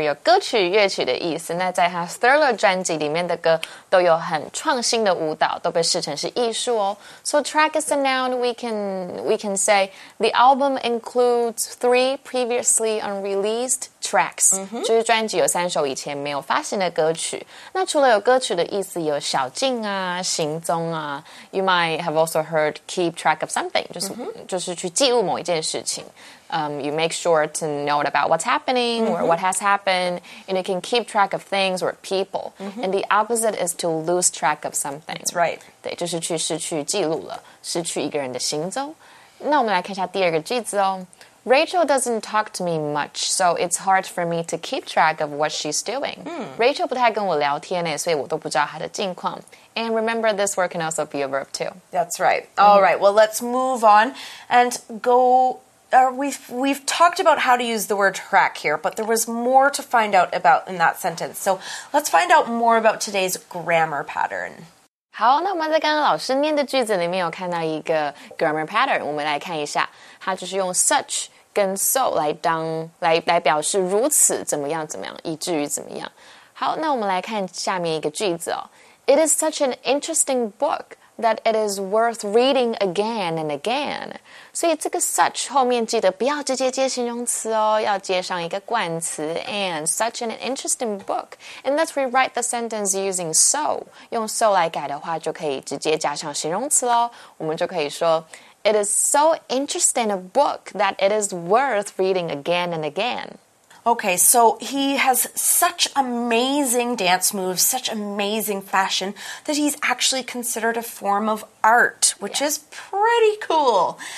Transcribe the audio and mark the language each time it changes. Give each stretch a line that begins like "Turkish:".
Chinese: 有歌曲、乐曲的意思。那在他 Thriller 专辑里面的歌都有很创新的舞蹈，都被视成是艺术哦。
English: So track is a noun. We can say the album includes 3 previously unreleased tracks.、Mm-hmm.
Chinese: 就是专辑有三首以前没有发行的歌曲。那除了有歌曲的意思，有小径啊、行踪啊。
English: You might have also heard keep track of something.
Chinese: 就是去记。某一件事情
English: you make sure to know about what's happening or what has happened, and you can keep track of things or people. And the opposite is to lose track of something. That's right.
Chinese: 对，就是去失去记录了，失去一个人的行踪。那我们来看一下第二个句子哦。
English: Rachel doesn't talk to me much, so it's hard for me to keep track of what she's doing.
Chinese: Rachel 不太跟我聊天耶，所以我都不知道她的近况。
English: And remember, this word can also be a verb too. That's right. All right, well, let's move on and go... we've talked about how to use the word track here, but there was more to find out about in that sentence. So let's find out more about today's grammar pattern.
Chinese: 好，那我们在刚刚老师念的句子里面有看到一个 grammar pattern， 我们来看一下，它就是用 such 跟 so 来表示如此怎么样怎么样，以至于怎么样。好，那我们来看下面一个句子哦。
English: It is such an interesting book that it is worth reading again and again。
Chinese: 所以这个 such 后面记得不要直接接形容词哦，要接上一个冠词
English: and such an interesting book. And let's rewrite the sentence using so.
Chinese: 用 so 来改的话就可以直接加上形容词咯。我们就可以说
English: It is so interesting a book that it is worth reading again and again. Okay, so he has such amazing dance moves, such amazing fashion, that he's actually considered a form of art, which is pretty cool.